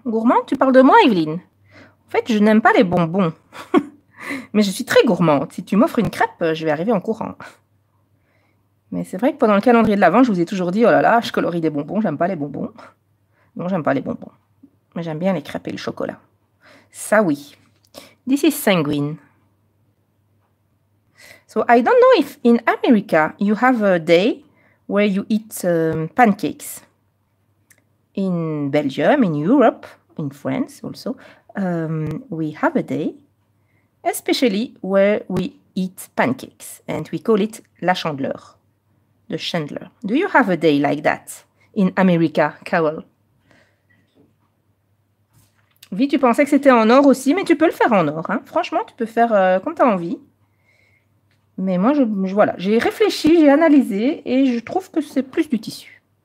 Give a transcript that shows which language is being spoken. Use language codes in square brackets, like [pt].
[fr] Gourmand? Tu parles de moi, Evelyne? En fait, je n'aime pas les bonbons. Mais je suis très gourmande. Si tu m'offres une crêpe, je vais arriver en courant. Mais c'est vrai que pendant le calendrier de l'Avent, je vous ai toujours dit « Oh là là, je colorie des bonbons, j'aime pas les bonbons. » Non, j'aime pas les bonbons. Mais j'aime bien les crêpes et le chocolat. Ça, oui. [en] This is sanguine. So, I don't know if in America, you have a day where you eat pancakes. In Belgium, in Europe, in France also, we have a day, especially where we eat pancakes. And we call it la chandeleur. The Chandler. Do you have a day like that in America, Carol? [fr] Vie, tu pensais que c'était en or aussi, mais tu peux le faire en or. Hein. Franchement, tu peux faire comme tu as envie. Mais moi, voilà, j'ai réfléchi, j'ai analysé et je trouve que c'est plus du tissu.